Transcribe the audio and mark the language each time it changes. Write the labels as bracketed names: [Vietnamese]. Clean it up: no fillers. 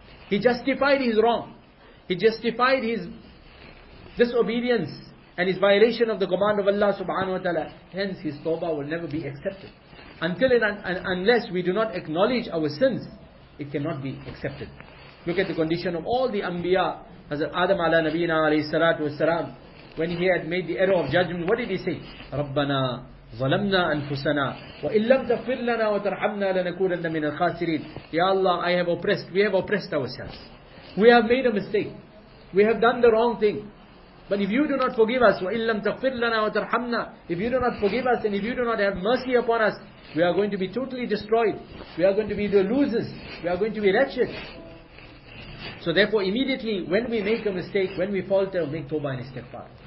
[English] He justified his wrong. He justified his disobedience and his violation of the command of Allah subhanahu wa ta'ala. Hence his tawbah will never be accepted. Until and unless we do not acknowledge our sins, it cannot be accepted. Look at the condition of all the anbiya. Hazrat Adam ala nabiyina alayhi salatu wasalam, when he had made the error of judgment, what did he say? [Arabic] Rabbana ظَلَمْنَا أَنْفُسَنَا وَإِنْ لَمْ تَغْفِرْ لَنَا وَتَرْحَمْنَا لَنَكُونَنَّ مِنَ الْخَاسِرِينَ. [English] Ya Allah, I have oppressed. We have oppressed ourselves. We have made a mistake. We have done the wrong thing. But if you do not forgive us, [Arabic] وَإِنْ لَمْ تَغْفِرْ لَنَا وَتَرْحَمْنَا, [English] if you do not forgive us and if you do not have mercy upon us, we are going to be totally destroyed. We are going to be the losers. We are going to be wretched. So therefore, immediately when we make a mistake, when we falter, make tawbah and istighfar.